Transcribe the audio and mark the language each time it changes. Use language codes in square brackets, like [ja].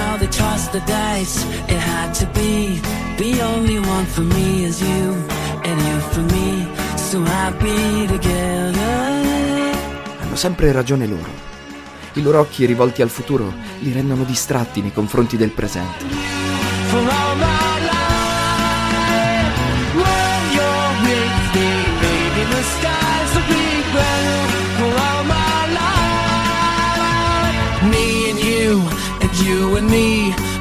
[en] Toss the dice, it had to be. The only one for me is you, and you for me. So happy together. [it] Hanno sempre ragione loro. I loro occhi rivolti al futuro li rendono distratti nei confronti del presente. [en] For all my life, when you're with me, baby, the skies will be blue. For all my life, me and you, and you and me.